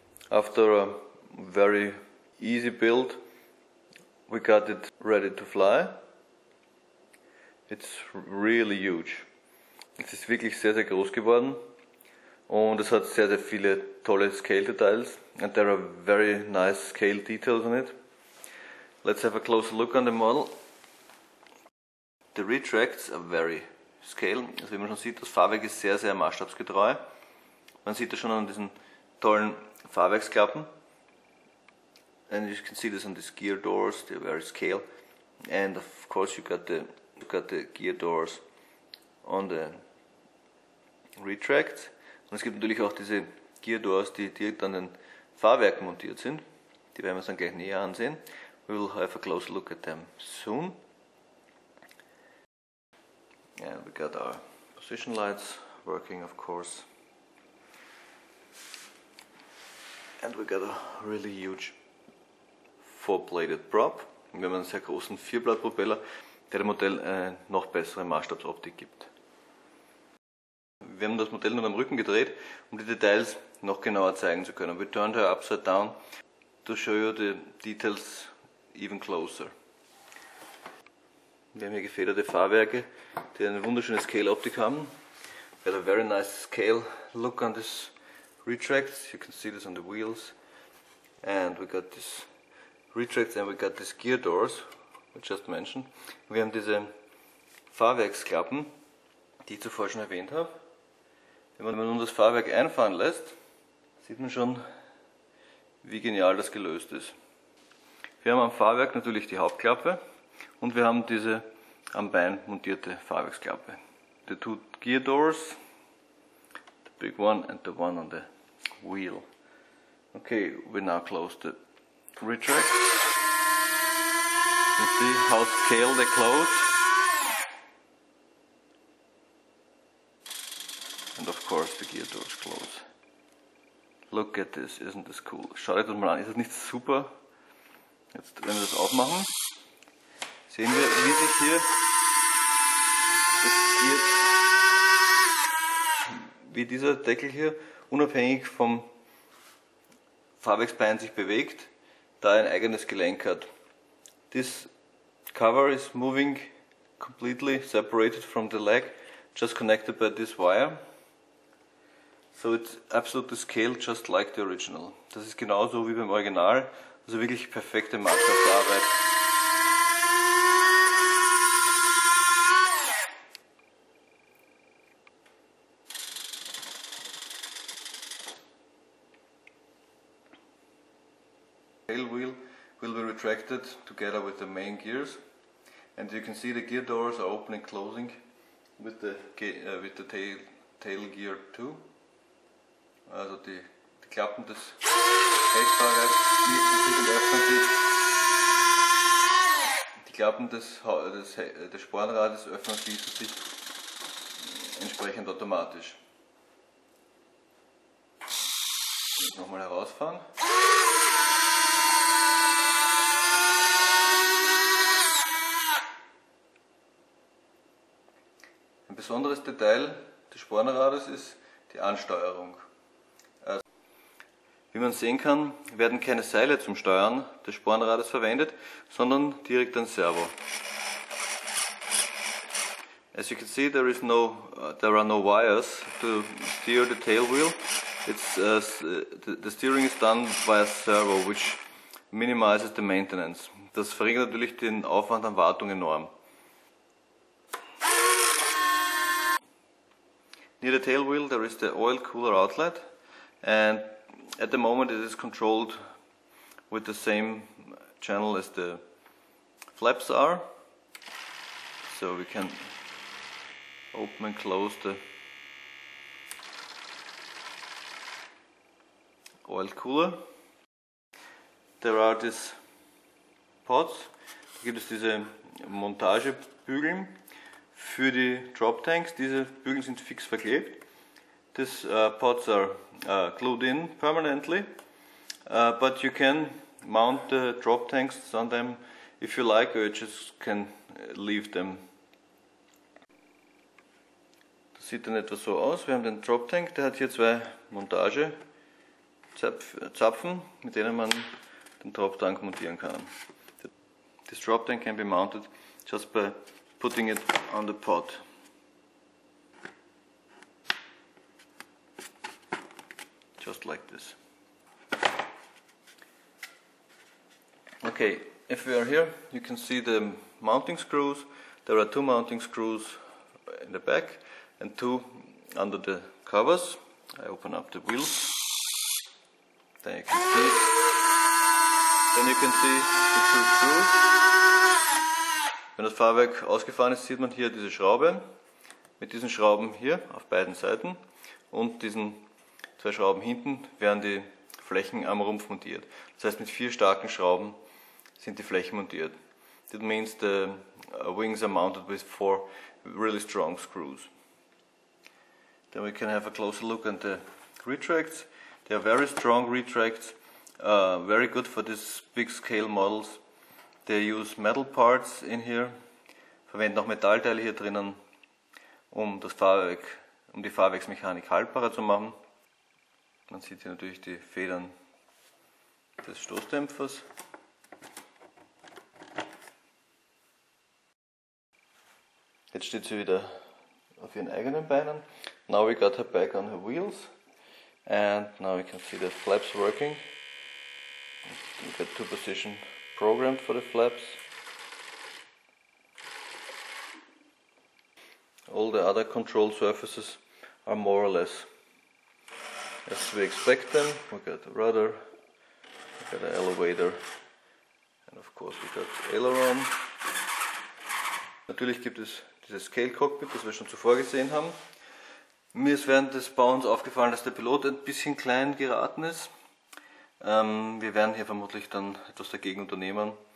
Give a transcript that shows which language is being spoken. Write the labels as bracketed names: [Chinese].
[English] After a very easy build, we got it ready to fly. It's really huge. [German] Es ist wirklich sehr, sehr groß geworden. Und es hat sehr, sehr viele tolle Scale-Details. [English] And there are very nice scale-Details on it. Let's have a closer look on the model. The retracts are very scale. [German] Also wie man schon sieht, das Fahrwerk ist sehr, sehr maßstabsgetreu. Man sieht das schon an diesen tollen Fahrwerksklappen. [English] And you can see this on these gear doors, they're very scale. And of course you got the gear doors on the retracts. [German] Und es gibt natürlich auch diese Gear Doors, die direkt an den Fahrwerken montiert sind. Die werden wir uns dann gleich näher ansehen. [English] We will have a closer look at them soon. And we got our position lights working, of course. And we got a really huge four-bladed prop. [German] Und wir haben einen sehr großen Vierblatt-Propeller, der dem Modell eine noch bessere Maßstabsoptik gibt. Wir haben das Modell nun am Rücken gedreht, um die Details noch genauer zeigen zu können. [English] We turned her upside down to show you the details even closer. [German] Wir haben hier gefederte Fahrwerke, die eine wunderschöne Scale-Optik haben. [English] We have a very nice scale look on this retract. You can see this on the wheels. And we got this retract and we got these gear doors, I just mentioned. [German] Wir haben diese Fahrwerksklappen, die ich zuvor schon erwähnt habe. Wenn man nun das Fahrwerk einfahren lässt, sieht man schon, wie genial das gelöst ist. Wir haben am Fahrwerk natürlich die Hauptklappe und wir haben diese am Bein montierte Fahrwerksklappe. [English] The two gear doors, the big one and the one on the wheel. Okay, we now close the retract. You see how scale they close. Of course the gear doors close. Look at this, isn't this cool? [German] Schaut euch das mal an, ist das nicht super? Jetzt, wenn wir das aufmachen, sehen wir, wie sich hier das Gear, wie dieser Deckel hier unabhängig vom Fahrwerksbein sich bewegt, da er ein eigenes Gelenk hat. [English] This cover is moving completely separated from the leg, just connected by this wire. So it's absolutely scaled just like the original. [German] Das ist genauso wie beim Original. Also wirklich perfekte Maßstabsarbeit. [English] The tail wheel will be retracted together with the main gears. And you can see the gear doors are opening and closing with the tail gear too. [German] Also die Klappen des Heckfahrrads, die Klappen des Spornrades öffnen sich entsprechend automatisch. Nochmal herausfahren. Ein besonderes Detail des Spornrades ist die Ansteuerung. Wie man sehen kann, werden keine Seile zum Steuern des Spornrades verwendet, sondern direkt ein Servo. [English] As you can see, there are no wires to steer the tailwheel. The steering is done by a servo, which minimizes the maintenance. [German] Das verringert natürlich den Aufwand an Wartung enorm. [English] Near the tailwheel, there is the oil cooler outlet and at the moment it is controlled with the same channel as the flaps are, so we can open and close the oil cooler. There are these pods, [German] da gibt es diese Montagebügeln für die drop tanks. Diese Bügel sind fix verklebt. [English] These pods are glued in permanently, but you can mount the drop tanks on them if you like, or you just can leave them. The [German] sieht dann etwas so aus. Wir haben den Drop Tank, der hat hier zwei Montagezapfen, mit denen man den Drop Tank montieren kann. [English] This drop tank can be mounted just by putting it on the pot. Just like this. Okay, if we are here, you can see the mounting screws. There are two mounting screws in the back and two under the covers. I open up the wheel. Then you can see the two screws. [German] Wenn das Fahrwerk ausgefahren ist, sieht man hier diese Schraube mit diesen Schrauben hier auf beiden Seiten und diesen zwei Schrauben hinten werden die Flächen am Rumpf montiert. Das heißt, mit vier starken Schrauben sind die Flächen montiert. [English] That means the wings are mounted with four really strong screws. Then we can have a closer look at the retracts. They are very strong retracts, very good for these big scale models. They use metal parts in here, [German] verwenden auch Metallteile hier drinnen, um das Fahrwerk, um die Fahrwerksmechanik haltbarer zu machen. Man sieht hier natürlich die Federn des Stoßdämpfers. Jetzt steht sie wieder auf ihren eigenen Beinen. [English] Now we got her back on her wheels and now we can see the flaps working. We got two position programmed for the flaps. All the other control surfaces are more or less as we expect them. We got the rudder, we got the elevator, and of course we got the aileron. [German] Natürlich gibt es dieses Scale Cockpit, das wir schon zuvor gesehen haben. Mir ist während des Bauens aufgefallen, dass der Pilot ein bisschen klein geraten ist. Wir werden hier vermutlich dann etwas dagegen unternehmen.